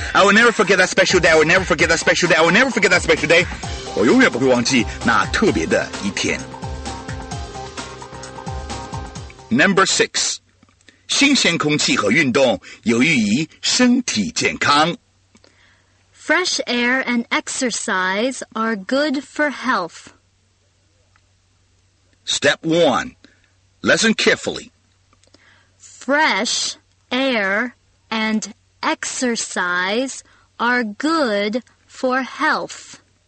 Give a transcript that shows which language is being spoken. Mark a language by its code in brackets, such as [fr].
[en] I will never forget that special day. I will never forget that special day. I will never forget that special day. [zh] 我永远不会忘记那特别的一天。 [en] Number six. [zh] 新鲜空气和运动有益于身体健康。 [en] Fresh air and exercise are good for health. Step 1. Listen carefully. Fresh air and exercise are good for health.